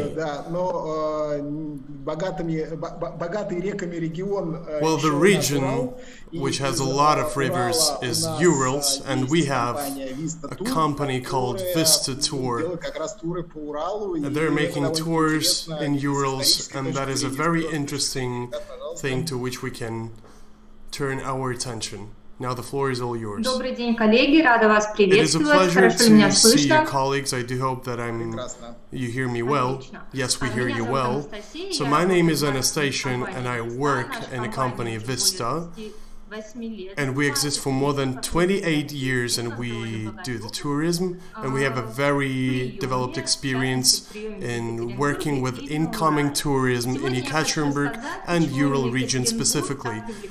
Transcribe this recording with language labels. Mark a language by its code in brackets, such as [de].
[en] Well, the region which has a lot of rivers is Urals, and we have a company called Vista Tour. And they're making tours in Urals, and that is a very interesting thing to which we can turn our attention. Now the floor is all yours. [ru] Добрый день, коллеги, рада вас приветствовать. [en] It is a pleasure to see you, colleagues. I do hope that I'm you hear me well. Yes, we hear you well. So my name is Anastasia, and I work in a company Vista, and we exist for more than 28 years, and we do the tourism, and we have a very developed experience in working with incoming tourism in Yekaterinburg and Ural region specifically.